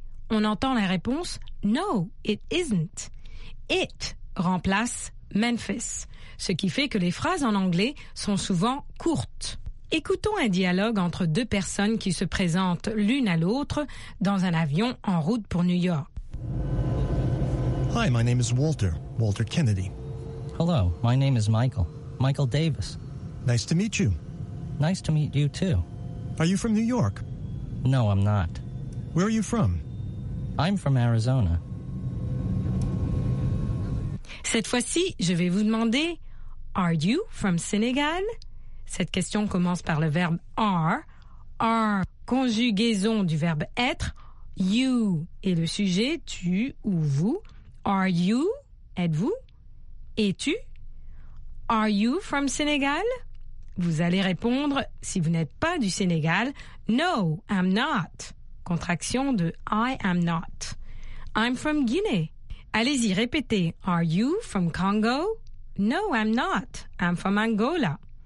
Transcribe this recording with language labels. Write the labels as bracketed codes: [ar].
[fr] On entend la réponse, [en] no, it isn't. [fr] It remplace Memphis. Ce qui fait que les phrases en anglais sont souvent courtes. Écoutons un dialogue entre deux personnes qui se présentent l'une à l'autre dans un avion en route pour New York. [en] Hi, my name is Walter, Walter Kennedy. Hello, my name is Michael, Michael Davis. Nice to meet you. Nice to meet you, too. Are you from New York? No, I'm not. Where are you from? I'm from Arizona. [fr] Cette fois-ci, je vais vous demander, [en] are you from Senegal? [fr] Cette question commence par le verbe are. Are, conjugaison du verbe être. You est le sujet, tu ou vous. [en] Are you? [fr] Êtes-vous? Es-tu? [en] Are you from Senegal? [fr] Vous allez répondre, si vous n'êtes pas du Sénégal, [en] No, I'm not. [fr] Contraction de [en] I am not. I'm from Guinea. [fr] Allez-y, répétez. [en] Are you from Congo? No, I'm not. I'm from Angola.